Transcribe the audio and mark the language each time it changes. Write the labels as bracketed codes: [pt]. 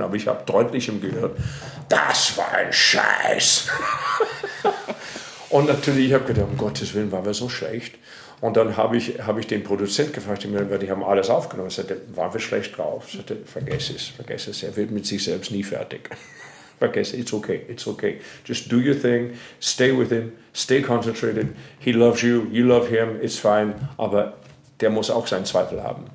[de] Aber ich habe deutlich ihm gehört, das war ein Scheiß. Und natürlich, ich habe gedacht, um Gottes Willen, waren wir so schlecht. Und dann habe ich den Produzent gefragt, die haben alles aufgenommen. Ich sagte, waren wir schlecht drauf? Ich sagte, vergiss es, er wird mit sich selbst nie fertig. Vergiss, [en] it's okay. Just do your thing, stay with him, stay concentrated. He loves you, you love him, it's fine. [de] Aber der muss auch seinen Zweifel haben.